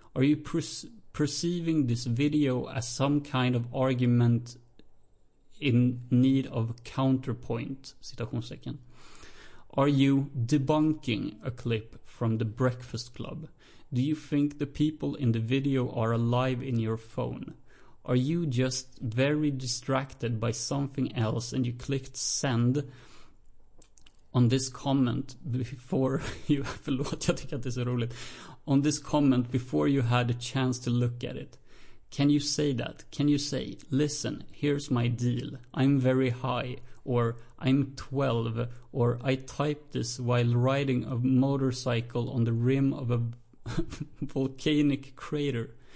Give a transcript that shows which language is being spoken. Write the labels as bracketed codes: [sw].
[en] Are you perceiving this video as some kind of argument in need of a counterpoint? [sv] Citationstecken. [en] Are you debunking a clip from The Breakfast Club? Do you think the people in the video are alive in your phone? Are you just very distracted by something else and you clicked send on this comment before you [sv] förlåt, jag tycker att det är så roligt. [en] On this comment before you had a chance to look at it. Can you say that? Can you say, listen, here's my deal. I'm very high, or I'm 12, or I typed this while riding a motorcycle on the rim of a volcanic crater.